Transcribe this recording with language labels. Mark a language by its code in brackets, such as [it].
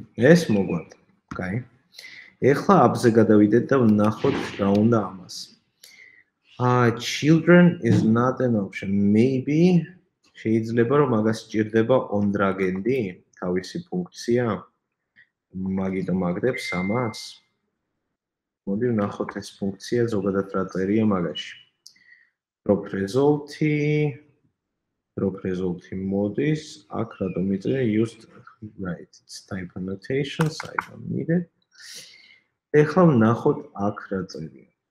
[ka] ეს მოგვარ. კაი. ეხლა აპზე გადავიდეთ და ვნახოთ რა უნდა ამას. [en] Children is not an option. [ka] Maybe შეიძლება რომ მაგას ჭირდება on dragendi თავისი ფუნქცია. მაგითო მაგდებს ამას. მოდი ვნახოთ ეს ფუნქცია ზოგადად რა წერია მაგაში. Drop result-ი მოდის, აქ რატომ იწერე [en] used right type annotation, I don't need it. [ka] ეხლა ვნახოთ აქ რა წერია.